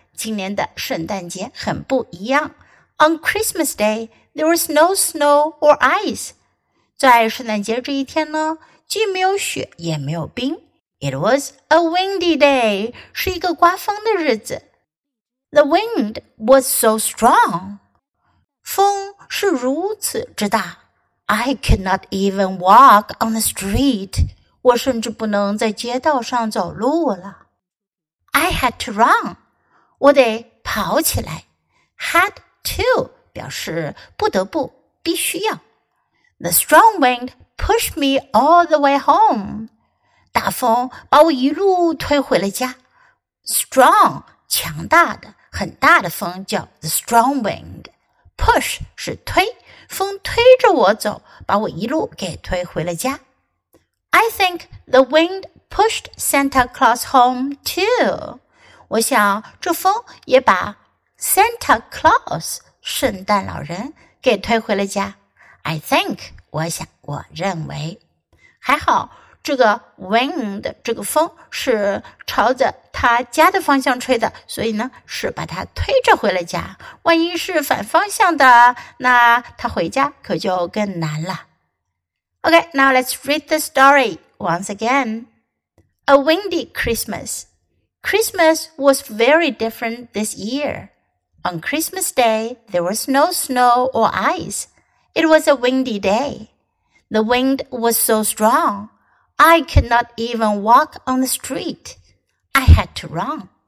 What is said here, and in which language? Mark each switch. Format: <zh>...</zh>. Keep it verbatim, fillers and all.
<zh>今年的圣诞节很不一样。</zh> <en>On Christmas Day, there was no snow or ice.</en> <zh>在圣诞节这一天呢，既没有雪也没有冰。</zh> <en>It was a windy day.</en> <zh>是一个刮风的日子。</zh> <en>The wind was so strong.</en> <zh>风是如此之大。</zh> <en>I could not even walk on the street.</en> <zh>我甚至不能在街道上走路了。</zh> <en>I had to run.</en> <zh>我得跑起来。</zh> <en>Had to</en> <zh>表示不得不，必须要。</zh> <en>The strong wind pushed me all the way home.</en> <zh>大风把我一路推回了家。 Strong 强大的，很大的风叫</zh> <en>the strong wind.</en> <zh>Push 是推，风推着我走，把我一路给推回了家。</zh> <en>I think the wind pushed Santa Claus home too.</en> <zh>我想这风也把Santa Claus, 圣诞老人给推回了家。</zh> <en>I think,</en> <zh>我想我认为。还好这个 wind, 这个风是朝着他家的方向吹的，所以呢是把他推着回了家。万一是反方向的，那他回家可就更难了。</zh> <en>Okay, now let's read the story once again. A Windy Christmas. Christmas was very different this year. On Christmas Day, there was no snow or ice. It was a windy day. The wind was so strong, I could not even walk on the street. I had to run.</en>